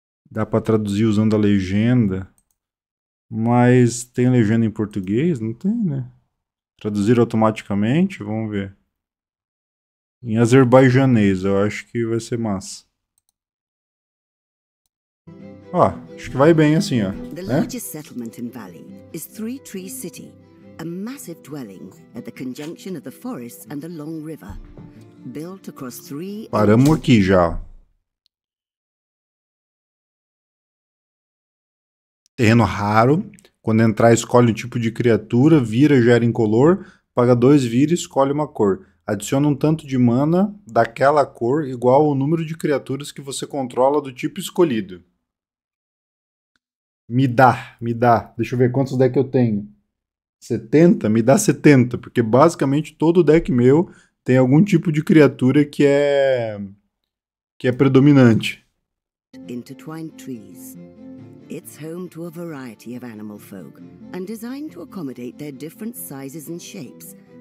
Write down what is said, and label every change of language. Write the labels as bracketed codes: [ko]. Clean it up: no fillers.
[pt] Dá para traduzir usando a legenda, mas tem legenda em português? Não tem, né? Traduzir automaticamente? Vamos ver. Em azerbaijanês, eu acho que vai ser massa. Ó, acho que vai bem assim, ó, [en] The [pt] né? [en] largest settlement in Valley is Three Tree City, a massive dwelling at the conjunction of the forests and the long river, built across three [pt] Paramos aqui já. Terreno raro. Quando entrar, escolhe um tipo de criatura, vira, gera incolor, paga 2, vira e escolhe uma cor. Adiciona um tanto de mana daquela cor igual ao número de criaturas que você controla do tipo escolhido. Me dá. Deixa eu ver quantos decks eu tenho. 70? Me dá 70, porque basicamente todo deck meu tem algum tipo de criatura que é predominante. [en] Intertwined trees. It's home to a variety of animal folk and designed to accommodate their different sizes and shapes.